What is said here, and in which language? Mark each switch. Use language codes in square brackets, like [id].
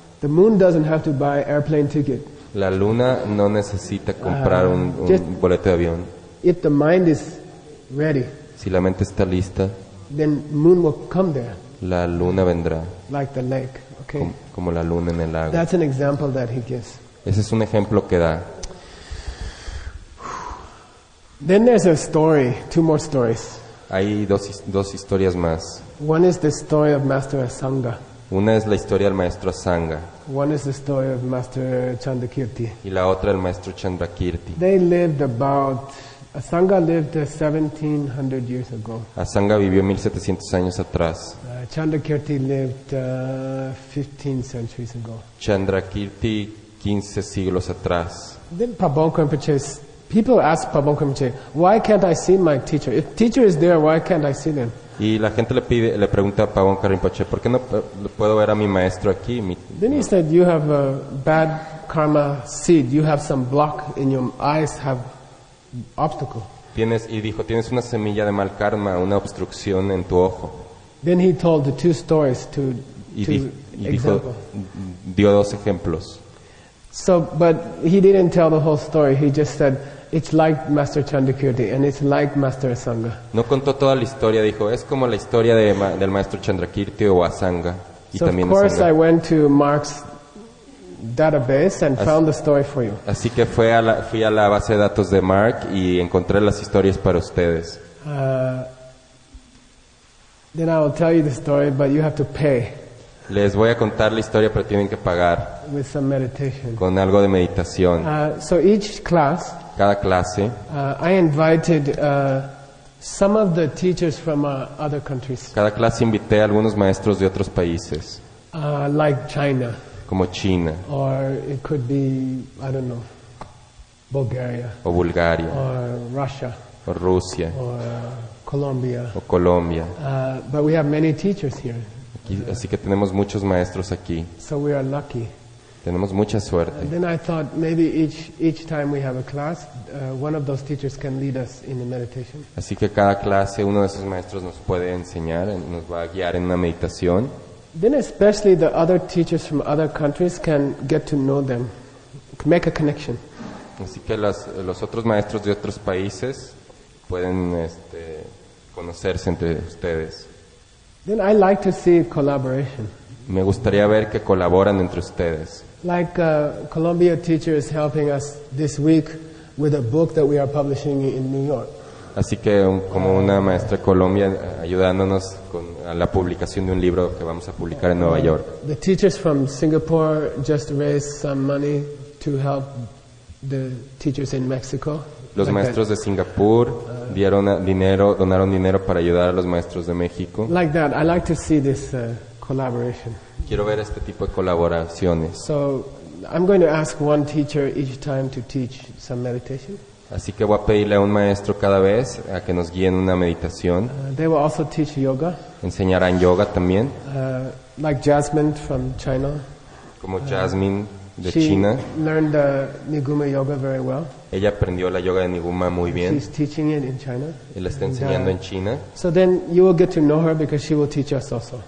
[en] The moon doesn't have to buy airplane ticket. [es] La luna no necesita comprar un boleto de avión. [en] If the mind is ready. [es] Si la mente está lista. [en] Then moon will come there. [es] La luna vendrá. [en] Like the lake, okay. [es] Como la luna en el lago. [en] That's an example that he gives. [es] Ese es un ejemplo que da. [en] Then there's a story, 2 more stories. [es] Hay dos historias más. [en] One is the story of Master Asanga. [es] Una es la historia del maestro Asanga. [en] One is the story of Master Chandrakirti. [es] Y la otra el maestro Chandrakirti. [en] They lived about Asanga lived 1700 years ago. [es] Asanga vivió 1700 años atrás. [en] Chandrakirti lived 15 centuries ago. [es] Chandrakirti 15 siglos atrás. [en] Then Prabhupada Kampuche, people ask Prabhupada Kampuche, why can't I see my teacher? If teacher is there, why can't I see them? [es] Y la gente le pregunta a Pabón Karimpache, ¿por qué no puedo ver a mi maestro aquí? [en] Then he said, you have a bad karma seed. You have some block in your eyes, have obstacle. [es] Tienes una semilla de mal karma, una obstrucción en tu ojo. [en] Then he told the 2 stories to [es] dio 2 ejemplos. [en] So, but he didn't tell the whole story. He just said, it's like Master Chandrakirti and it's like Master Asanga. [es] No contó toda la historia, dijo, es como la historia del maestro Chandrakirti o Asanga. [en] So of course [es] Asanga. [en] I went to Mark's database and found the story for you. [es] Así que fui a la base de datos de Mark y encontré las historias para ustedes. [en] Then I will tell you the story, but you have to pay. [es] Les voy a contar la historia, pero tienen que pagar. [en] With some meditation. [es] Con algo de meditación. [en] So each class. [es] Cada clase. [en] I invited some of the teachers from other countries. [es] Cada clase invité a algunos maestros de otros países. [en] Like China. [es] Como China. [en] Or it could be, I don't know, Bulgaria. [es] O Bulgaria. [en] Or Russia. [es] O Rusia. [en] Or Colombia. [es] O Colombia. [en] But we have many teachers here. [es] Aquí, así que tenemos muchos maestros aquí. [en] So we are lucky. [es] Tenemos mucha suerte. [en] Then I thought maybe each time we have a class, one of those teachers can lead us in the meditation. [es] Así que cada clase uno de esos maestros nos puede enseñar, nos va a guiar en una meditación. [en] Then especially the other teachers from other countries can get to know them, make a connection. [es] Así que los otros maestros de otros países pueden conocerse entre ustedes. [en] Then I like to see collaboration. [es] Me gustaría ver que colaboran entre ustedes. [en] Like a Colombia teacher is helping us this week with a book that we are publishing in New York. [es] Así que como una maestra de Colombia ayudándonos con la publicación de un libro que vamos a publicar en Nueva York. [en] The teachers from Singapore just raised some money to help the teachers in Mexico. [es] Los maestros de Singapur donaron dinero para ayudar a los maestros de México. [en] Like that, I like to see this collaboration. [es] Quiero ver este tipo de colaboraciones. [en] So I'm going to ask one teacher each time to teach some meditation. [es] Así que voy a pedirle a un maestro cada vez a que nos guíe en una meditación. [en] They will also teach yoga. [es] Enseñarán yoga también. [en] Like Jasmine from China. [es] Como Jasmine de [en] she [es] China. [en] She learned the Nigume yoga very well. [es] Ella aprendió la yoga de Niguma muy bien. [en] She's teaching it in China. [es] Y la está enseñando en China. [en] So then you will get to know her because she will teach us also.